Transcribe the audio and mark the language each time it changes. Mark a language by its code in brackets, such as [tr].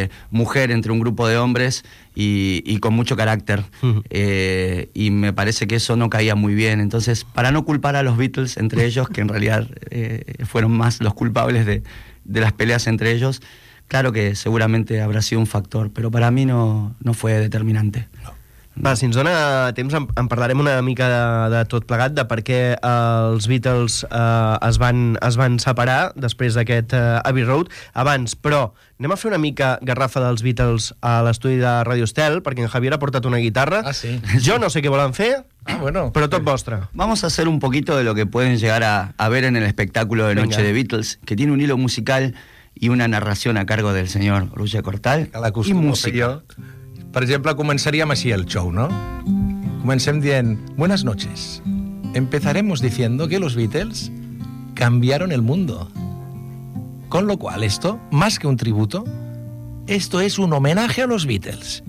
[es] Mujer entre un grupo de hombres y con mucho carácter. Y me parece que eso no caía muy bien. Entonces, para no culpar a los Beatles entre ellos, que en realidad fueron más los culpables de las peleas entre ellos, claro que seguramente habrá sido un factor, pero para mí no fue determinante. [ca] No. Va, si ens dona temps, en parlarem una mica de tot plegat, de per què els Beatles es van separar després d'aquest Abbey Road. Abans, però... Anem a fer una mica Garrafa dels Beatles a l'estudi de Radio Estel, perquè en Javier ha portat una guitarra. Ah, sí. Jo no sé què volen fer, però tot vostre. [es] Vamos a hacer un poquito de lo que pueden llegar a ver en el espectáculo de Noche de Beatles, que tiene un hilo musical y una narración a cargo del señor Roger Cortal. [ca] I música. Per exemple, començaríem així el show, no? Comencem dient, [es] buenas noches. Empezaremos diciendo que los Beatles cambiaron el mundo. Con lo cual, esto, más que un tributo, esto es un homenaje a los Beatles.